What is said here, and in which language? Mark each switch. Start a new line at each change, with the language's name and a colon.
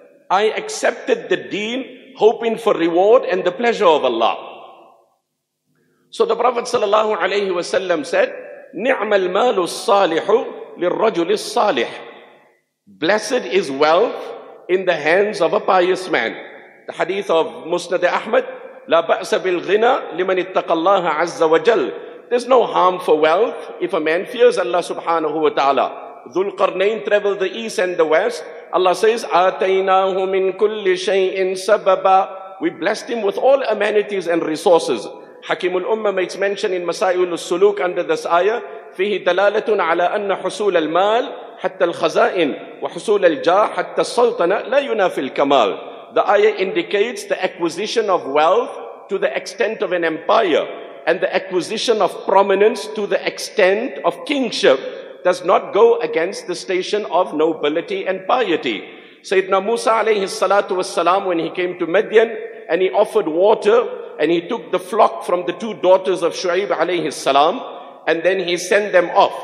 English: I accepted the deen hoping for reward and the pleasure of Allah. So the Prophet sallallahu alayhi wa sallam said,
Arabic: نِعْمَ الْمَالُ الصَّالِحُ لِلرَّجُلِ الصَّالِحِ.
English: Blessed is wealth in the hands of a pious man. The hadith of Musnad Ahmad,
Arabic: لَا بَأْسَ بِالْغِنَى لِمَنِ اتَّقَ اللَّهَ عَزَّ وَجَلْ.
English: There's no harm for wealth if a man fears Allah subhanahu wa ta'ala. Dhul Qarnain travel the east and the west. Allah says,
Arabic: آتَيْنَاهُ مِن كُلِّ شَيْءٍ سَبَبًا.
English: We blessed him with all amenities and resources. Hakim al-Ummah makes mention in Masail al-Suluk under this ayah,
Arabic: فِيهِ دَلَالَةٌ عَلَىٰ أَنَّ حُسُولَ الْمَالِ حَتَّى الْخَزَائِنِ وَحُسُولَ الْجَاهِ حَتَّى السَّلْطَنَةِ لَا يُنَافِ الْكَمَالِ.
English: The ayah indicates the acquisition of wealth to the extent of an empire, and the acquisition of prominence to the extent of kingship does not go against the station of nobility and piety. Sayyidina Musa alayhi salatu wassalam, when he came to Madian and he offered water and he took the flock from the two daughters of Shu'ayb alayhi salam, and then he sent them off.